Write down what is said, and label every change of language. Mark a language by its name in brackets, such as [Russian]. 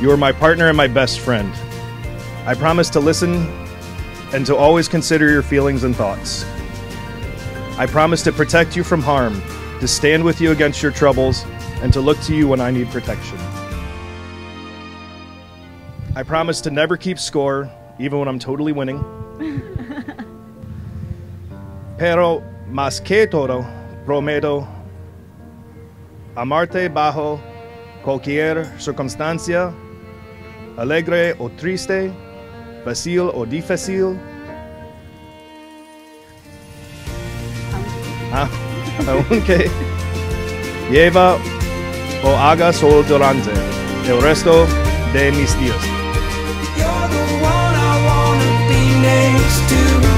[English] You are my partner and my best friend. I promise to listen and to always consider your feelings and thoughts. I promise to protect you from harm, to stand with you against your troubles, and to look to you when I need protection. I promise to never keep score, even when I'm totally winning. [Spanish] Pero más que todo, prometo amarte bajo cualquier circunstancia, alegre o triste, fácil o difícil. Aunque lleva o haga sol durante el resto de mis días. [English] You're the one I wanna be next to.